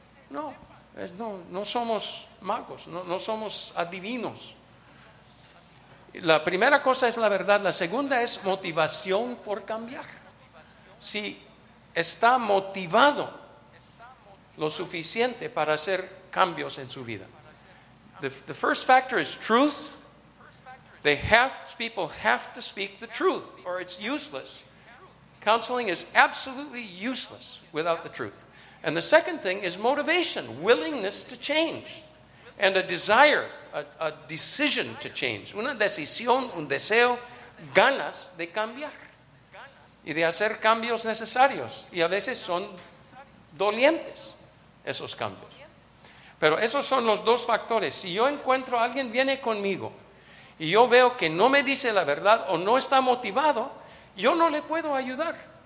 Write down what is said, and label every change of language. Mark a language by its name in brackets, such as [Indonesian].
[Spanish] No somos magos, no somos adivinos. La primera cosa es la verdad, la segunda es motivación por cambiar. Si está motivado lo suficiente para hacer cambios en su vida. [English] The first factor is truth. People have to speak the truth or it's useless. Counseling is absolutely useless without the truth. And the second thing is motivation, willingness to change, and a desire, a decision to change. [Spanish] Una decisión, un deseo, ganas de cambiar y de hacer cambios necesarios. Y a veces son dolientes esos cambios. Pero esos son los dos factores. Si yo encuentro a alguien, viene conmigo, y yo veo que no me dice la verdad o no está motivado, yo no le puedo ayudar.